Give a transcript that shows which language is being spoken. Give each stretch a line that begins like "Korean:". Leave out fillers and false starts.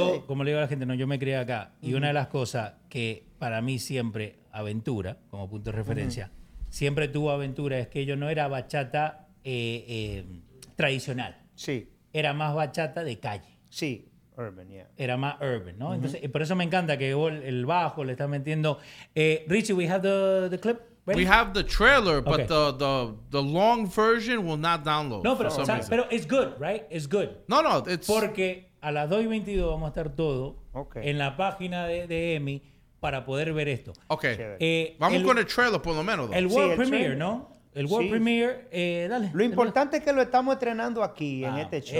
Spanish: Yo, como le digo a la gente, no, yo me crié acá. Y una de las cosas que para mí siempre, Aventura, como punto de referencia, siempre tuvo Aventura, es que yo no era bachata tradicional. Sí. Era más bachata de calle. Sí.
English: Urban, yeah.
Spanish: Era más urban, ¿no? Entonces, por eso me encanta que el bajo le estás metiendo.
English: Richie, we have the clip. Ready? We have the trailer, okay. But the long version will not download.
Spanish: No, pero, pero
English: it's good, right? It's good. No, no, it's...
Spanish: Porque a las 2:22 vamos a estar todos en la página de Emmy para poder ver esto. Ok. Vamos con el trailer, por lo menos. El
English: world premiere,
Spanish: ¿no? El world premiere, dale. Lo importante es que lo estamos estrenando aquí, en este show.